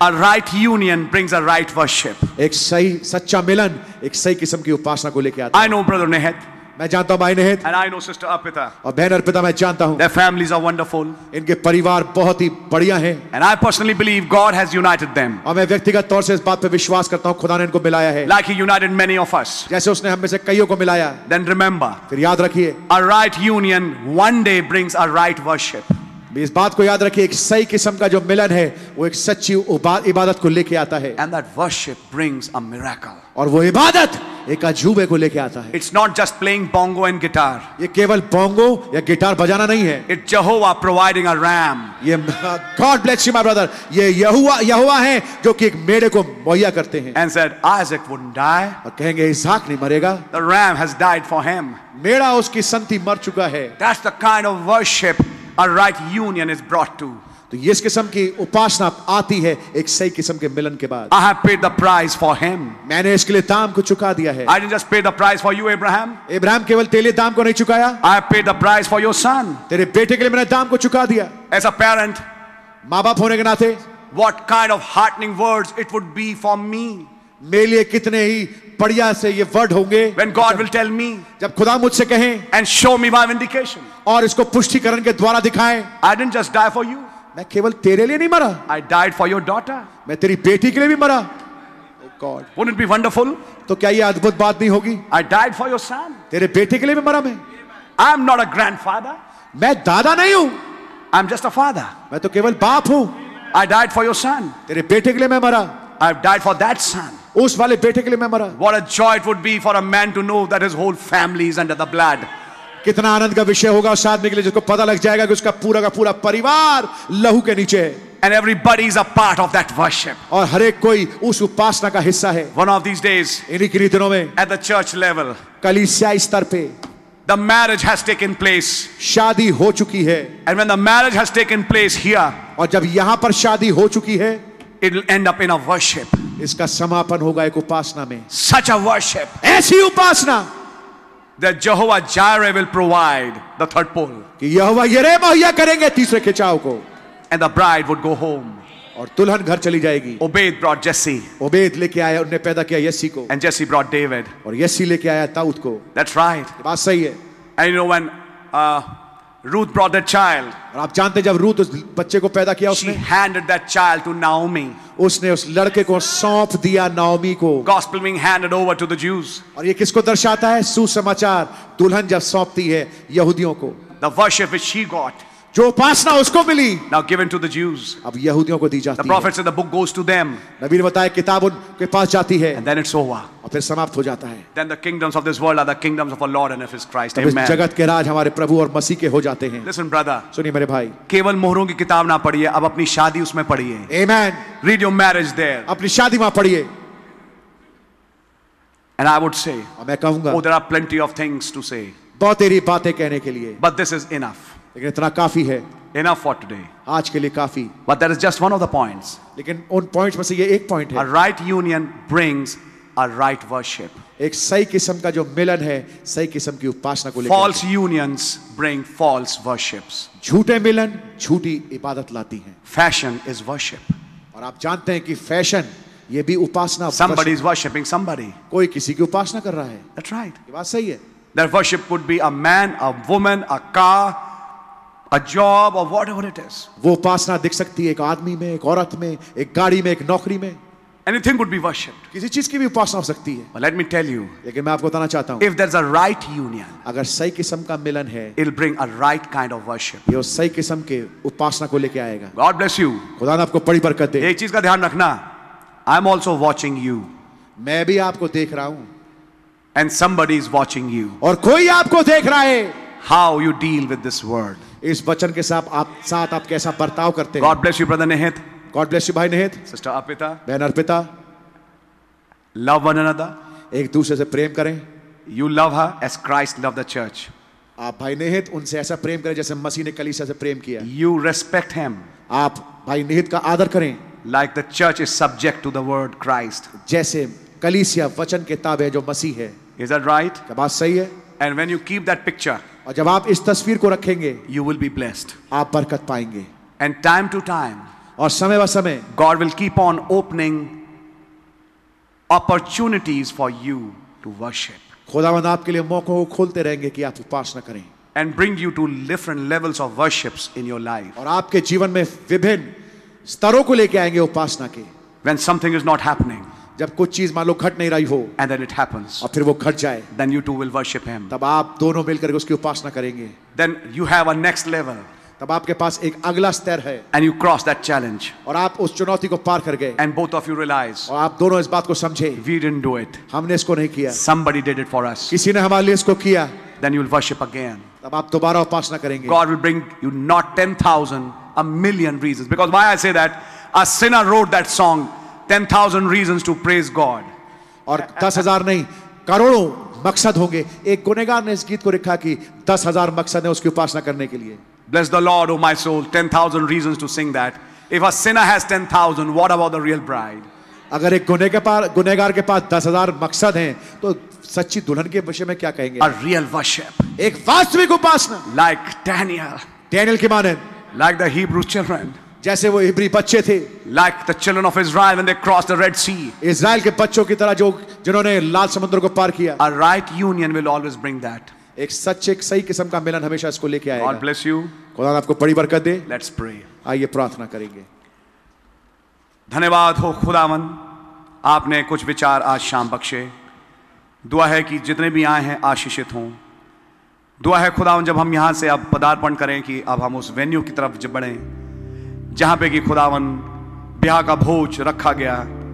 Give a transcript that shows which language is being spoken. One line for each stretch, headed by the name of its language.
English: A right union brings a right worship.
Hindi: एक सही सच्चा मिलन एक सही किस्म की उपासना को लेके आता
English: है. I know brother Nehet.
Hindi: मैं जानता हूं भाई नेहत.
English: And I know sister Arpita.
Hindi: और बहन अर्पिता मैं जानता हूं.
English: Their families are wonderful.
Hindi: इनके परिवार बहुत ही बढ़िया हैं.
English: And I personally believe God has united them.
Hindi: और मैं व्यक्तिगत तौर से इस बात पे विश्वास करता हूं खुदा ने इनको मिलाया है.
English: Like he united many of us.
Hindi: जैसे उसने हम में से कईयों को मिलाया.
English: Then remember.
Hindi: फिर याद रखिए.
English: A right union one day brings a right worship.
Hindi: इस बात को याद रखिए एक सही किस्म का जो मिलन है वो एक सच्ची इबादत को लेके आता है.
English: And that worship brings a miracle.
Hindi: और वो इबादत एक अजूबे को लेके आता है.
English: It's not just playing bongo and guitar.
Hindi: ये केवल बोंगो या गिटार बजाना नहीं है.
English: It's Jehovah providing a ram. ये God bless you my brother.
Hindi: ये यहोवा है जो कि एक मेड़े को मुहैया करते हैं.
English: And said Isaac wouldn't die.
Hindi: और कहेंगे इसहाक नहीं मरेगा.
English: The ram has died for him.
Hindi: Meda उसकी संती मर चुका है.
English: That's the kind of worship a right union is brought to.
Hindi: तो ये इस किस्म की उपासना आती है एक सही किस्म के मिलन के बाद.
English: I have paid the price for him.
Hindi: मैंने इसके लिए दाम को चुका दिया है.
English: I didn't just pay the price for you, Abraham.
Hindi: Abraham केवल तेरे लिए दाम को नहीं चुकाया.
English: I have paid the price for your son.
Hindi: तेरे बेटे के लिए मैंने दाम को चुका दिया.
English: As a parent,
Hindi: माँ बाप होने के नाते,
English: what kind of heartening words it would be for me.
Hindi: मेरे लिए कितने ही बढ़िया से ये वर्ड होंगे.
English: When God will tell me.
Hindi: जब खुदा मुझसे कहें.
English: And show me my vindication.
Hindi: और इसको पुष्टिकरण के द्वारा दिखाएं.
English: I didn't just die for you.
Hindi: मैं केवल तेरे लिए नहीं मरा.
English: I died for your daughter.
Hindi: मैं तेरी बेटी के लिए भी मरा.
English: Oh God. Wouldn't it be wonderful?
Hindi: तो क्या ये अद्भुत बात नहीं होगी?
English: I died for your son.
Hindi: तेरे बेटे के लिए भी मरा मैं.
English: I am not a grandfather.
Hindi: मैं दादा नहीं हूं.
English: I am just a father.
Hindi: मैं तो केवल बाप हूं.
English: I died for your son.
Hindi: तेरे बेटे के लिए मैं मरा.
English: I have died for that son.
Hindi: उस वाले बेटे के लिए मैं मरा.
English: What a joy it would be for a man to know that his whole family is under the blood.
Hindi: कितना आनंद का विषय होगा उस आदमी के लिए जिसको पता लग जाएगा कि उसका पूरा का परिवार लहू के नीचे है.
English: And everybody is a part of that worship.
Hindi: और हर एक कोई उस उपासना का हिस्सा है.
English: One of these days.
Hindi: इन्हीं किन्हीं दिनों में.
English: At the church level.
Hindi: कलीसिया स्तर पे.
English: The marriage has taken place.
Hindi: शादी हो चुकी है.
English: And when the marriage has taken place here.
Hindi: और जब यहां पर शादी हो चुकी है.
English: It will end up in a worship.
Hindi: इसका समापन होगा एक उपासना में.
English: Such a worship.
Hindi: ऐसी उपासना.
English: That Jehovah Jireh will provide the third pole.
Hindi: कि यहोवा यिरेह मुहैया करेंगे तीसरे खिंचाव को.
English: And the bride would go home.
Hindi: और दुल्हन घर चली जाएगी.
English: Obed brought Jesse.
Hindi: Obed लेके आया उन्हें पैदा किया यसी को.
English: And Jesse brought David.
Hindi: और यसी लेके आया दाऊद को.
English: That's right.
Hindi: बात सही है.
English: And you know when Ruth brought that child.
Hindi: और आप जानते हैं जब रूथ उस बच्चे को पैदा किया उसने.
English: She handed that child to Naomi.
Hindi: उसने उस लड़के को सौंप दिया नाओमी को.
English: Gospel being handed over to the Jews.
Hindi: और ये किसको दर्शाता है? सुसमाचार दुल्हन जब सौंपती है यहूदियों को.
English: The worship which she got.
Hindi: जो उपासना उसको मिली.
English: Now given to the Jews.
Hindi: अब यहूदियों को दी जाती
English: है. The prophet said the book goes to them.
Hindi: नबी ने बताया किताब उनके पास जाती है.
English: And then it's over.
Hindi: और फिर समाप्त हो जाता है.
English: Then the kingdoms of this world are the kingdoms of our Lord and of His Christ. Amen.
Hindi: इस जगत के राज हमारे प्रभु और मसीह के हो जाते हैं.
English: Listen brother.
Hindi: सुनिए मेरे भाई. केवल मोहरों की किताब ना पढ़िए, अब अपनी शादी उसमें पढ़िए.
English: Amen. Read your marriage there.
Hindi: अपनी शादी वहां पढ़िए.
English: And I would say.
Hindi: और मैं कहूंगा.
English: Oh, there are plenty of things to say.
Hindi: बहुत सारी बातें कहने के लिए.
English: But this is enough.
Hindi: लेकिन इतना काफी है.
English: Enough for today.
Hindi: आज के लिए काफी.
English: But that is just one of the points.
Hindi: लेकिन उन पॉइंट्स में से ये एक पॉइंट है.
English: A right union brings a right worship.
Hindi: एक सही किस्म का जो मिलन है सही किस्म की उपासना को लेकर.
English: False unions bring false worships.
Hindi: झूठे मिलन झूठी इबादत लाती हैं.
English: Fashion is worship.
Hindi: और आप जानते हैं कि फैशन ये भी उपासना.
English: Somebody is worshiping somebody.
Hindi: कोई किसी की उपासना कर रहा है.
English: That's right.
Hindi: ये बात सही है.
English: That worship could be a man, a woman, a car, a job, or whatever it is.
Hindi: वो उपासना दिख सकती है एक आदमी में, एक औरत में, एक गाड़ी में, एक नौकरी में.
English: Anything could be worshipped.
Hindi: किसी चीज की भी उपासना हो सकती है.
English: But let me tell you.
Hindi: लेकिन मैं आपको बताना चाहता हूँ.
English: If there's a right union.
Hindi: अगर सही किस्म का मिलन है.
English: It'll bring a right kind of worship.
Hindi: ये सही किस्म के उपासना को लेके आएगा.
English: God bless you.
Hindi: खुदा आपको बड़ी बरकत दे. एक चीज का ध्यान रखना.
English: I'm also watching you.
Hindi: मैं भी आपको देख रहा हूँ.
English: And somebody is watching you.
Hindi: और कोई आपको देख रहा है.
English: How you deal with this word.
Hindi: इस वचन के साथ आप कैसा बर्ताव करते हैं.
English: God bless you, brother Nihit. God bless you, भाई Nihit. Sister Arpita.
Hindi: बहन अर्पिता.
English: Love one another.
Hindi: एक दूसरे से प्रेम करें.
English: You love her as Christ loved the church.
Hindi: आप भाई निहित उनसे ऐसा प्रेम करें जैसे मसीह ने कलीसिया से प्रेम किया.
English: You respect him.
Hindi: आप भाई निहित का आदर करें.
English: Like the church is subject to the word Christ.
Hindi: जैसे कलीसिया वचन के ताबे जो मसीह है.
English: Is that right?
Hindi: क्या बात सही है?
English: And when you keep that picture.
Hindi: और जब आप इस तस्वीर को रखेंगे.
English: You will be blessed.
Hindi: आप बरकत पाएंगे.
English: And time to time.
Hindi: और समय व समय.
English: God will keep on opening opportunities for you to worship.
Hindi: खुदावंद आपके लिए मौकों को खोलते रहेंगे कि आप उपासना करें.
English: And bring you to different levels of worships in your life.
Hindi: और आपके जीवन में विभिन्न स्तरों को लेके आएंगे उपासना के.
English: When something is not happening.
Hindi: जब कुछ चीज मान लो घट नहीं रही हो.
English: And then it happens.
Hindi: और फिर वो घट जाए.
English: Then you two will worship him.
Hindi: तब आप दोनों मिलकर उसकी उपासना करेंगे.
English: Then you have a next level.
Hindi: तब आपके पास एक अगला स्तर है.
English: And you cross that challenge.
Hindi: और आप उस चुनौती को पार कर गए.
English: And both of you realize.
Hindi: और आप दोनों इस बात को समझे.
English: We didn't do it.
Hindi: हमने इसको नहीं किया.
English: Somebody did it for us.
Hindi: किसी ने हमारे लिए इसको किया.
English: Then you will worship again.
Hindi: तब आप दोबारा उपासना करेंगे.
English: God will bring you not 10,000, a million reasons. Because why I say that? A sinner wrote that song, 10,000 reasons to praise God.
Hindi: और 10,000 नहीं, करोड़ों मकसद होंगे. एक गुनेगार ने इस गीत को लिखा कि 10,000 मकसद है उसकी उपासना करने के लिए.
English: Bless the Lord, O my soul, 10,000 reasons to sing that. If a sinner has 10,000, what about the real bride?
Hindi: अगर एक गुनेगार के पास 10,000 मकसद हैं, तो सच्ची दुल्हन के विषय में क्या कहेंगे?
English: A real worship.
Hindi: एक वास्तविक उपासना.
English: Like Daniel.
Hindi: Daniel के माने.
English: Like the Hebrew children.
Hindi: जैसे वो इब्री बच्चे थे.
English: Like the children of Israel when they crossed the Red Sea.
Hindi: Israel के बच्चों की तरह जो जिन्होंने लाल समुद्र को पार किया.
English: A right union will always bring that.
Hindi: एक सच एक सही किस्म का मिलन हमेशा इसको लेके आएगा.
English: God bless you.
Hindi: खुदा आपको बड़ी बरकत दे.
English: Let's pray.
Hindi: आइए प्रार्थना करेंगे. धन्यवाद हो खुदावन, आपने कुछ विचार आज शाम बख्शे. दुआ है कि जितने भी आए हैं आशीषित हों. दुआ है खुदावन जब हम यहाँ से अब पदार्पण करें कि अब हम उस वेन्यू की तरफ बढ़ें जहाँ पे कि खुदावन ब्याह का भोज रखा गया.